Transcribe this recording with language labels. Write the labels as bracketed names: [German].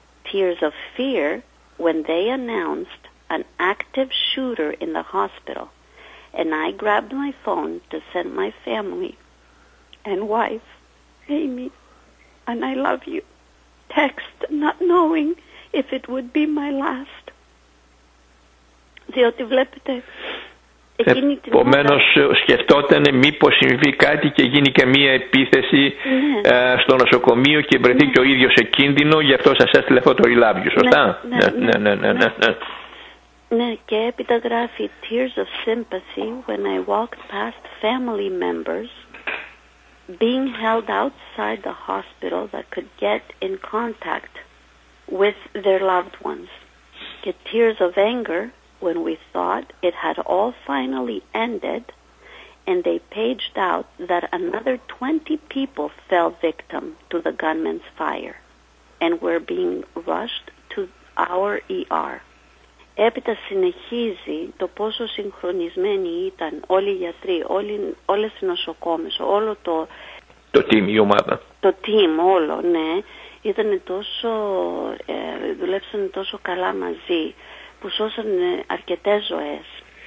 [English] Tears of fear when they announced an active shooter in the hospital, and I grabbed my phone to send my family and wife, Amy, and I love you, text, not knowing if it would be my last. [Greek] Διότι βλέπετε, εκείνη την... Επομένως, σκεφτότανε μήπως συμβεί κάτι και γίνει και μία επίθεση, ναι, στο νοσοκομείο και βρεθεί, ναι, και ο ίδιος σε κίνδυνο, γι' αυτό σας έστειλε αυτό το [English] I love you, [Greek] σωστά? Ναι. Ναι, και έπειτα γράφει [English] tears of sympathy when I walked past family members being held outside the hospital that could get in contact with their loved ones. [Greek] Και [English] tears of anger when we thought it had all finally ended and they paged out that another 20 people fell victim to the gunman's fire and were being rushed to our ER. [Greek] Έπειτα συνεχίζει το πόσο συγχρονισμένοι ήταν όλοι οι γιατροί, όλες οι νοσοκόμες, όλο το... Το team, η ομάδα. Το team, όλο, ναι. Ήταν τόσο... δουλέψανε τόσο καλά μαζί που σώσανε αρκετές ζωές.